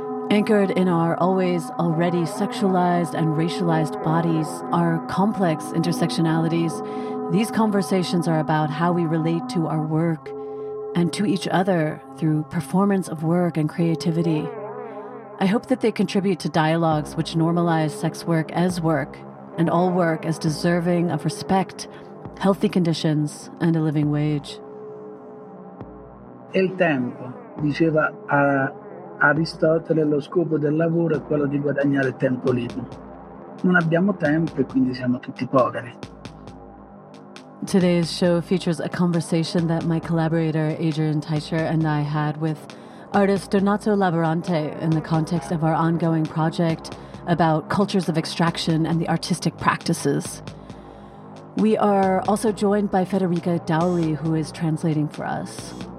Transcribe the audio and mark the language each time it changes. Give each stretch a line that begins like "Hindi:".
English: Anchored in our always already sexualized and racialized bodies, our complex intersectionalities, these conversations are about how we relate to our work and to each other through performance of work and creativity. I hope that they contribute to dialogues which normalize sex work as work and all work as deserving of respect, healthy conditions, and a living wage.
Italian: Il tempo, diceva a Aristotele, lo scopo del lavoro è quello di guadagnare tempo libero. Non abbiamo tempo e quindi siamo tutti poveri.
English: Today's show features a conversation that my collaborator Adrian Teicher and I had with artist Donato Laborante in the context of our ongoing project about cultures of extraction and the artistic practices. We are also joined by Federica Dowry, who is translating for us.